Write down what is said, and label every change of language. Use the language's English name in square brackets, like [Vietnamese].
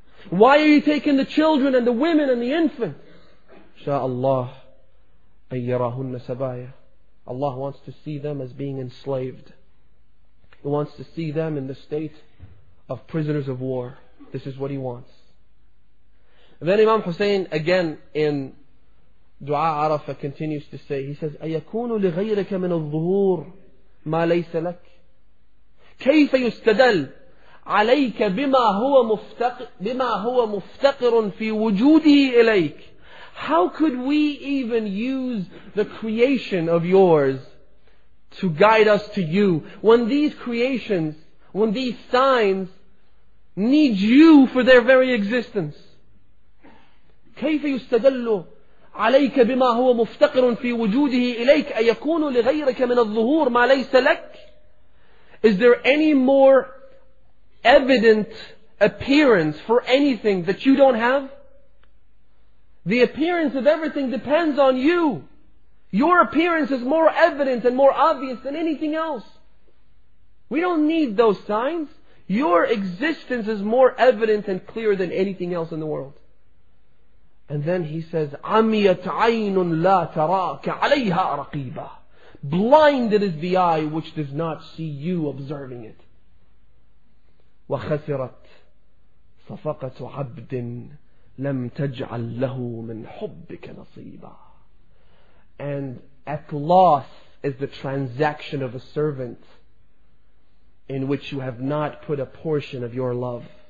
[English] Why are you taking the children and the women and the infants? [Arabic] Sha Allah an yarahunna sabaya. [English] Allah wants to see them as being enslaved. He wants to see them in the state of prisoners of war. This is what He wants. And then Imam Hussein, again in Dua Arafah, continues to say, he says, [Arabic] أَيَكُونُ لِغَيْرَكَ مِنَ الظُّهُورِ مَا لَيْسَ لَكَ كَيْفَ يُسْتَدَلْ عَلَيْكَ بِمَا هُوَ مُفْتَقِرٌ فِي وُجُودِهِ إِلَيْكَ. [English] How could we even use the creation of yours to guide us to you when these creations, when these signs need you for their very existence? [Arabic] كيف يستدل عليك بما هو مفتقر في وجوده إليك أيكون لغيرك من الظهور ما ليس لك. [English] Is there any more evident appearance for anything that you don't have? The appearance of everything depends on you. Your appearance is more evident and more obvious than anything else. We don't need those signs. Your existence is more evident and clear than anything else in the world. And then he says, [Arabic] عَمِيَتْ عَيْنٌ لَا تَرَاكَ عَلَيْهَا رَقِيبًا. [English] Blinded is the eye which does not see you observing it. [Arabic] وَخَسِرَتْ صَفَقَةُ عَبْدٍ لَمْ تَجْعَلْ لَهُ مِنْ حُبِّكَ نَصِيبًا. [English] And at loss is the transaction of a servant in which you have not put a portion of your love.